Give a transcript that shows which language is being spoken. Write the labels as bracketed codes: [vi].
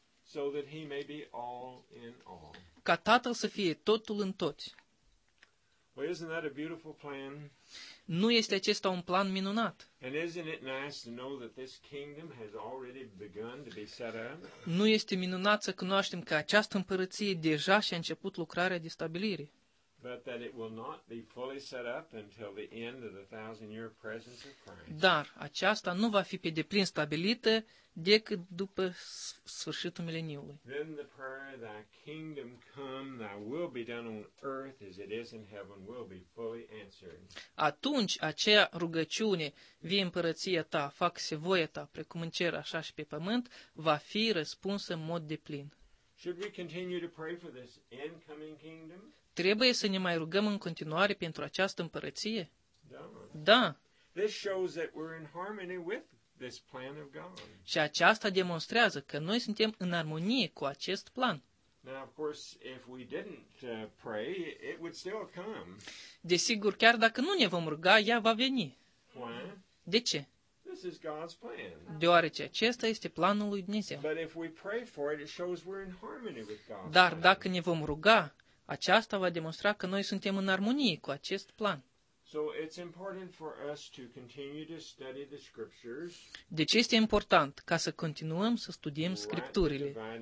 [en] So that he may be all in all. [ro] Ca Tatăl să fie totul în toți. [en] Well, isn't that a beautiful plan? [ro] Nu este acesta un plan minunat? [en] And isn't it nice to know that this kingdom has already begun to be set up? [ro] Nu este minunat să cunoaștem că această împărăție deja și-a început lucrarea de stabilire? [en] But that it will not be fully set up until the end of the thousand-year presence of Christ. [ro] Dar aceasta nu va fi pe deplin stabilită decât după sfârșitul mileniului. [en] Then the prayer, thy kingdom come, thy will be done on earth as it is in heaven, will be fully answered. [ro] Atunci acea rugăciune, vie împărăția ta, fac-se voia ta, precum în cer, așa și pe pământ, va fi răspunsă în mod deplin. [en] Should we continue to pray for this incoming kingdom? [ro] Trebuie să ne mai rugăm în continuare pentru această împărăție? Da. [en] This shows that we're in harmony with this plan of God. [ro] Și aceasta demonstrează că noi suntem în armonie cu acest plan. [en] Now, of course, if we didn't pray, it would still come. [ro] Desigur, chiar dacă nu ne vom ruga, ea va veni. [en] Why? [ro] De ce? [en] This is God's plan. [ro] Deoarece acesta este planul lui Dumnezeu. [en] But if we pray for it, it shows we're in harmony with God. [ro] Dar dacă ne vom ruga, aceasta va demonstra că noi suntem în armonie cu acest plan. [en] So it's important for us to continue to study the scriptures. [ro] Deci este important ca să continuăm să studiem scripturile.